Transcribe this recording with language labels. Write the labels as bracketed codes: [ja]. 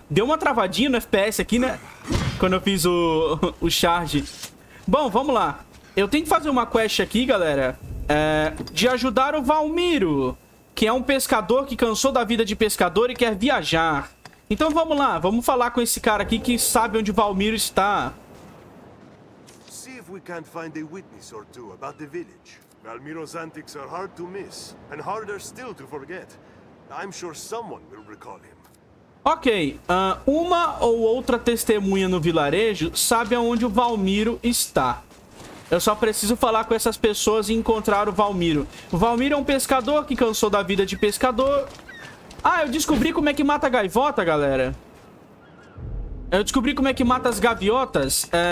[pt] Deu uma travadinha no FPS aqui, né? Quando eu fiz o charge. Bom, vamos lá. Eu tenho que fazer uma quest aqui, galera, de ajudar o Valmiro, que é um pescador que cansou da vida de pescador e quer viajar. Então vamos lá, vamos falar com esse cara aqui que sabe onde Valmiro está. [en] See if we can't find a witness or two about the village. Valmiro's antics are hard to miss and harder still to forget. I'm sure someone will recall him. [pt] Ok, uma ou outra testemunha no vilarejo sabe aonde o Valmiro está. Eu só preciso falar com essas pessoas e encontrar o Valmiro. O Valmiro é um pescador que cansou da vida de pescador. Ah, eu descobri como é que mata a gaivota, galera. Eu descobri como é que mata as gaviotas.